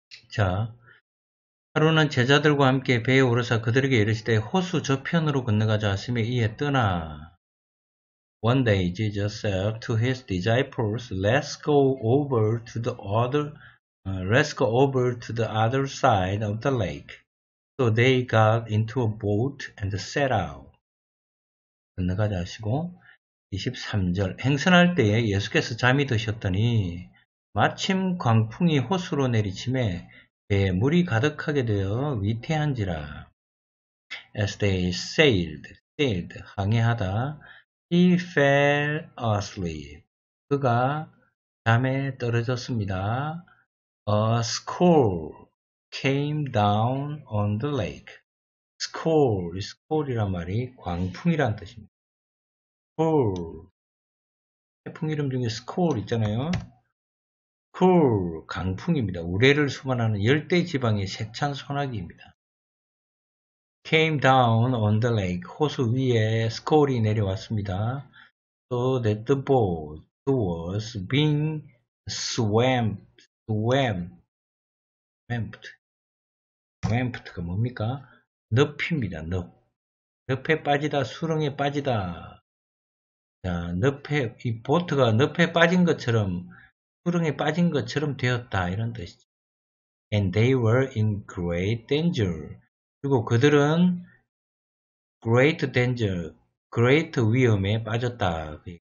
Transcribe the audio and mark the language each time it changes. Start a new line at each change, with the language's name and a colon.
Korean: 자, 하루는 제자들과 함께 배에 오르사 그들에게 이르시되 호수 저편으로 건너가자 하시매 이에 떠나.
English: One day Jesus said to his disciples, Let's go over to the other side of the lake. So they got into a boat and set out.
Korean: 건너가자 하시고 23절 행선할 때에 예수께서 잠이 드셨더니 마침 광풍이 호수로 내리침에 배에 물이 가득하게 되어 위태한지라.
English: As they sailed, 항해하다 he fell asleep.
Korean: 그가 잠에 떨어졌습니다.
English: A squall came down on the lake.
Korean: Squall이란 말이 광풍이란 뜻입니다. Squall 태풍 이름 중에 squall 있잖아요. Squall 강풍입니다. 우레를 수반하는 열대 지방의 세찬 소나기입니다.
English: Came down on the lake.
Korean: 호수 위에 squall이 내려왔습니다.
English: So that the boat was being swamped가 뭡니까?
Korean: 늪입니다. 늪에 빠지다, 수렁에 빠지다. 이 보트가 늪에 빠진 것처럼, 수렁에 빠진 것처럼 되었다. 이런 뜻이죠.
English: And they were in great danger.
Korean: 그리고 그들은 great danger, great 위험에 빠졌다.